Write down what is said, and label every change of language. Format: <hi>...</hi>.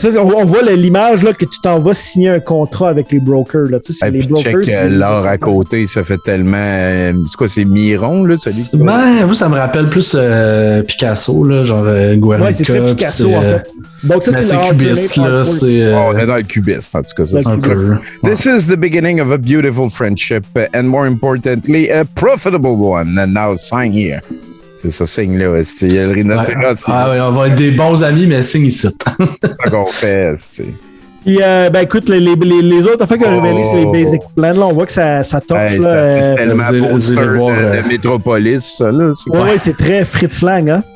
<fr>On voit l'image là, que tu t'en vas signer un contrat avec les brokers. Là. C'est les brokers. Check l'or à côté, ça fait tellement. C'est quoi, c'est Miron, là, celui qui. Ben, moi, ça me rappelle plus Picasso, là, genre Guernica. Ouais, c'est très Picasso, c'est, en fait. Donc, ça, c'est cubiste, là. On est dans le cubiste, en tout cas. C'est un peu.</fr> <en>This is the beginning of a beautiful friendship and more importantly, a profitable one. And now, sign here.</en> <fr>C'est ça, signe-là. C'est le rhinocéros. Ah oui, on va être des bons amis, mais signe ici. C'est ça qu'on fait, c'est. Puis, ben écoute, les autres affaires qu'on a révélées, c'est les basic plans. Là, on voit que ça torche. Hey, là, tellement beau, Métropolis, ça, là. Oui, c'est très Fritz Lang. Hein.</fr>